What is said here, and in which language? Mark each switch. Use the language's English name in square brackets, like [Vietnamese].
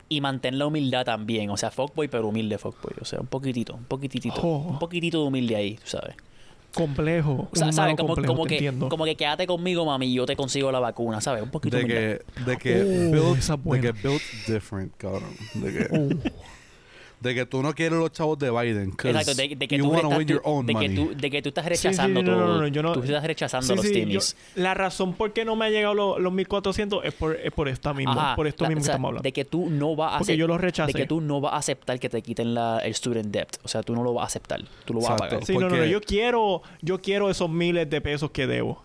[Spanish] Y mantén la humildad también, o sea, fuckboy, pero humilde fuckboy, o sea, un poquitito, oh. Un poquitito de humilde ahí, tú sabes. Complejo, o sea, ¿sabes? Como, complejo, como que entiendo. Como que quédate conmigo, mami, y yo te consigo la vacuna, ¿sabes? Un poquito humilde. De que [English] built different, [Spanish] cabrón. De que... De que tú no quieres los chavos de Biden. Exacto, de que [English] you want to win your own money. [Spanish] De que tú estás rechazando todo. No. Tú estás rechazando los tenis. La razón por qué no me ha llegado los 1400 es por esta misma. Ajá, por esto mismo que estamos hablando. De que tú no vas a... Porque yo los rechacé. De que tú no vas a aceptar que te quiten el student debt. O sea, tú no lo vas a aceptar. Tú lo vas a pagar. Sí, porque... no. Yo quiero esos miles de pesos que debo.